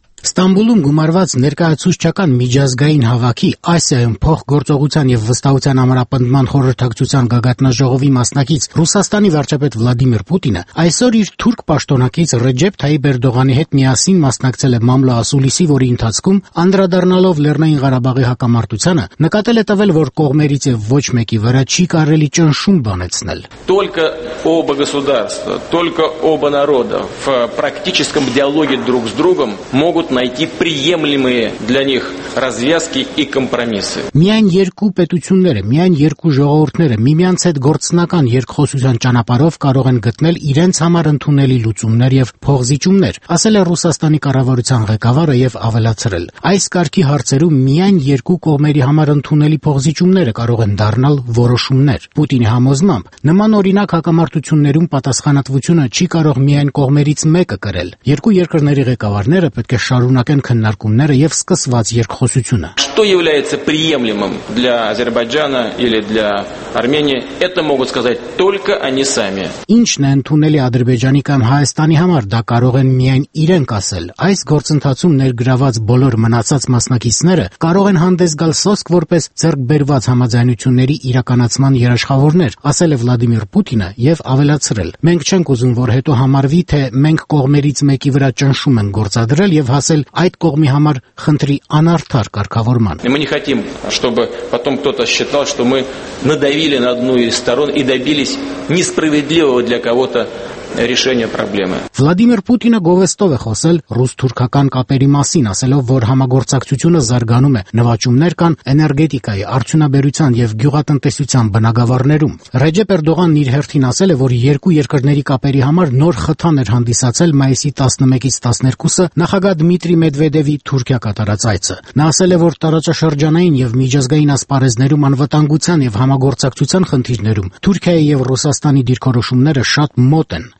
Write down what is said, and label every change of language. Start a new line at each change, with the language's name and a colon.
Armenian: Ստամբուլում գումարված ներկայացուցչական միջազգային հավաքի Ասիայում փոխգործողության եւ վստահության ամրապնդման խորհրդակցության գագաթնաժողովի մասնակից Ռուսաստանի վարչապետ Վլադիմիր Պուտինը այսօր իր թուրք պաշտոնակից Ռեջեփ Թայիպ Էրդողանի հետ միասին մասնակցել է Մամլո ասուլիսի, որի ընթացքում անդրադառնալով Լեռնային Ղարաբաղի հակամարտությանը, նկատել է տվել, որ կողմերից եւ ոչ մեկի վրա չի կարելի ճնշում բանեցնել։
Russian: Только оба государства, только оба народа в практическом диалоге друг с другом могут найти приемлемые для них развязки и компромиссы.
Armenian: Միայն երկու պետությունները, միայն երկու ժողովուրդները միմյանց հետ գործնական երկխոսության ճանապարհով կարող են գտնել իրենց համար ընդունելի լուծումներ եւ փոխզիջումներ, ասել է Ռուսաստանի կառավարության ղեկավարը եւ ավելացրել. Այս կարգի հարցերում միայն երկու կողմերի համար ընդունելի փոխզիջումները կարող են դառնալ որոշումներ։ Պուտինի համոզմամբ նման օրինակ հակամարտություններում պատասխանատվությունը չի կարող միայն կողմերից մեկը կրել։ Երկու երկրների ղեկավարները պետք է շարունակեն քննարկումները եւ սկսված երկխոսությունը։
Russian: Что является приемлемым для Азербайджана или для Армении, это могут сказать только они сами.
Armenian: Ինչն է ընդունելի Ադրբեջանի կամ Հայաստանի համար, դա կարող են միայն իրենք ասել։ Այս գործընթացում ներգրաված բոլոր մնացած մասնակիցները կարող են հանդես գալ սոսկ որպես ձեռքբերված համաձայնությունների իրականացման երաշխավորներ, ասել է Վլադիմիր Պուտինը եւ ավելացրել։ Մենք չենք ուզում, որ հետո համարվի, թե մենք կողմերից մեկի վրա ճնշում ենք գործադրել և հասել այդ կողմի համար խնդրի անարդար կարգավորման։
Russian: Мы не хотим, чтобы потом кто-то считал, что мы надавили на одну из сторон и добились несправедливого для кого-то решение проблемы.
Armenian: Владимир Путин գովեստով է խոսել ռուս-թուրքական կապերի մասին, ասելով, որ համագործակցությունը զարգանում է, նվաճումներ կան էներգետիկայի, արդյունաբերության եւ գյուղատնտեսության բնագավառներում։ Ռեջեփ Էրդողանն իր հերթին ասել է, որ երկու երկրների կապերի համար նոր խթան էր հանդիսացել մայիսի 11-ից 12-ը նախագահ Դմիտրի Մեդվեդևի Թուրքիա կատարած այցը։ Նա ասել է, որ տարածաշրջանային եւ միջազգային ասպարեզներում անվտանգության եւ համագործակցության խնդիրներում Թուրքիայի եւ Ռուսաստանի դիրքորոշումները շատ մոտ են։